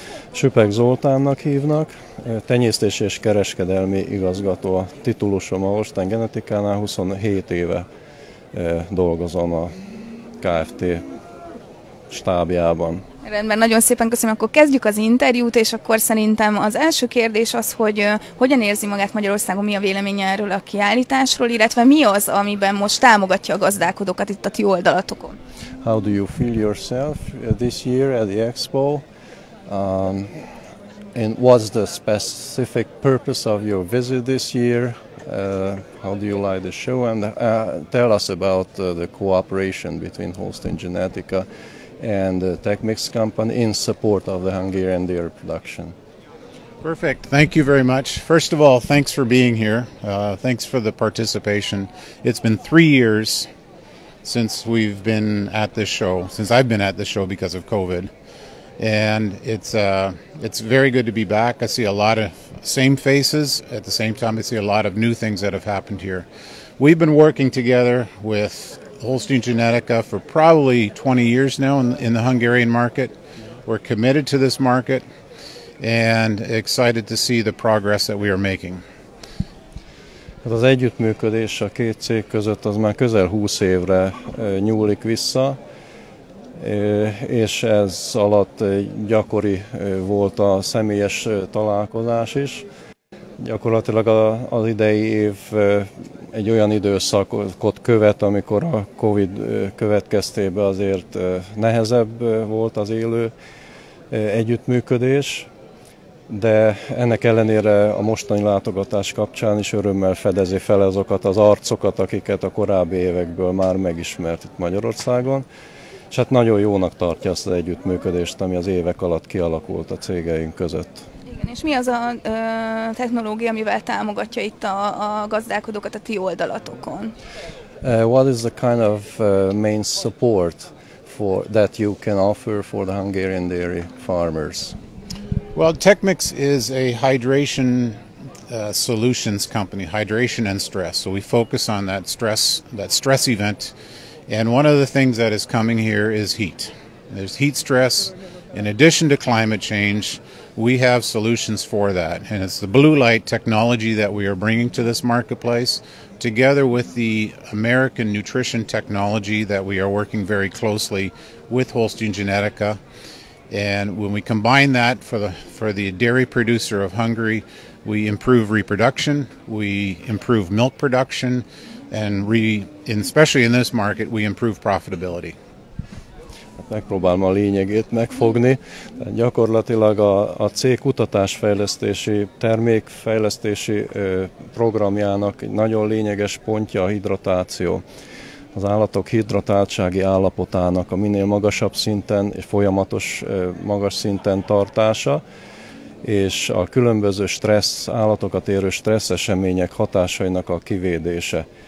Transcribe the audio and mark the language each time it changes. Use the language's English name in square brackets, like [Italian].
[Hungarian] Süpek Zoltánnak hívnak, tenyésztési és kereskedelmi igazgató a titulusom a Holstein genetikánál, 27 éve dolgozom a Kft. Stábjában. Rendben, nagyon szépen köszönöm. Akkor kezdjük az interjút, és akkor szerintem az első kérdés az, hogy hogyan érzi magát Magyarországon, mi a véleménye erről a kiállításról, illetve mi az, amiben most támogatja a gazdálkodókat itt a ti oldalatokon? [English] How do you feel yourself this year at the expo? And what's the specific purpose of your visit this year? How do you like the show? And tell us about the cooperation between Holstein Genetica and the Techmix company in support of the Hungarian deer production. Perfect. Thank you very much. First of all, thanks for being here. Thanks for the participation. It's been 3 years since we've been at this show, since I've been at this show because of COVID. And it's very good to be back. I see a lot of same faces. At the same time, I see a lot of new things that have happened here. We've been working together with Holstein Genetica for probably 20 years now in the Hungarian market. We're committed to this market and excited to see the progress that we are making. [Hungarian] Hát az együttműködés a két cég között az már közel 20 évre nyúlik vissza. És ez alatt gyakori volt a személyes találkozás is. Gyakorlatilag az idei év egy olyan időszakot követ, amikor a COVID következtében azért nehezebb volt az élő együttműködés, de ennek ellenére a mostani látogatás kapcsán is örömmel fedezi fel azokat az arcokat, akiket a korábbi évekből már megismert itt Magyarországon. És hát nagyon jónak tartja azt az együttműködést, ami az évek alatt kialakult a cégeink között. Igen, és mi az a technológia, amivel támogatja itt a gazdálkodókat a ti oldalatokon? [English] What is the kind of main support for that you can offer for the Hungarian dairy farmers? Well, Techmix is a hydration solutions company, hydration and stress. So we focus on that stress event. And one of the things that is coming here is heat. There's heat stress. In addition to climate change, we have solutions for that. And it's the blue light technology that we are bringing to this marketplace, together with the American nutrition technology that we are working very closely with Holstein Genetica. And when we combine that for the dairy producer of Hungary, we improve reproduction, we improve milk production, and especially in this market, we improve profitability. [Hungarian] Megpróbálom a lényegét megfogni. Gyakorlatilag a cég kutatásfejlesztési, termékfejlesztési programjának egy nagyon lényeges pontja a hidratáció. Az állatok hidratáltsági állapotának a minél magasabb szinten és folyamatos magas szinten tartása, és a különböző stressz, állatokat érő stressz események hatásainak a kivédése.